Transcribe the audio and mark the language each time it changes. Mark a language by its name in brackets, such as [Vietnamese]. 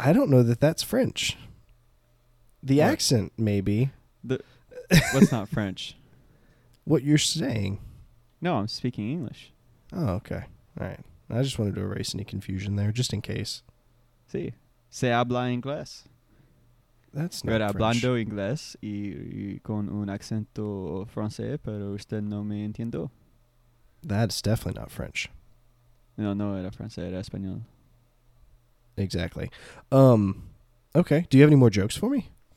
[English] I don't know that that's French. The what? Accent, maybe. What's not French? What you're saying? No, I'm speaking English. Oh, okay. All right. I just wanted to erase any confusion there, just in case. See. [Spanish] Si. Se habla inglés. [English] That's not French. [Spanish] Hablando inglés y con un acento francés, pero usted no me entiendo. [English] That's definitely not French. [Spanish] No, no era francés, era español. [English] Exactly. Okay, do you have any more jokes for me?